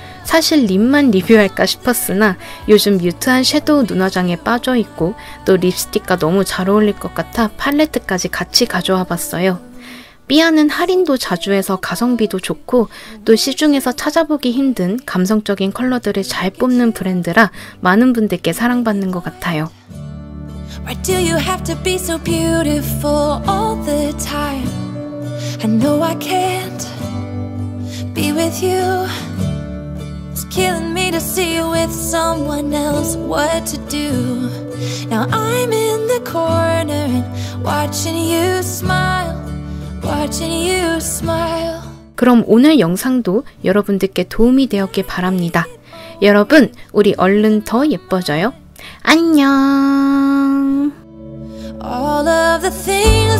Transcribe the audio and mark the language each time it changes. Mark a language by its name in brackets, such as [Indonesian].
[Korean] 사실 립만 리뷰할까 싶었으나 요즘 뮤트한 섀도우 눈화장에 빠져있고 또 립스틱과 너무 잘 어울릴 것 같아 팔레트까지 같이 가져와봤어요. 삐아는 할인도 자주 해서 가성비도 좋고 또 시중에서 찾아보기 힘든 감성적인 컬러들을 잘 뽑는 브랜드라 많은 분들께 사랑받는 것 같아요. [English] Why do you have to be so beautiful all the time? I know I can't be with you. It's killing me to see you with someone else. What to do? Now I'm in the corner and watching you smile. Watching you smile. [Korean] 그럼 오늘 영상도 여러분들께 도움이 되었길 바랍니다. 여러분, 우리 얼른 더 예뻐져요. 안녕. [English] All of the things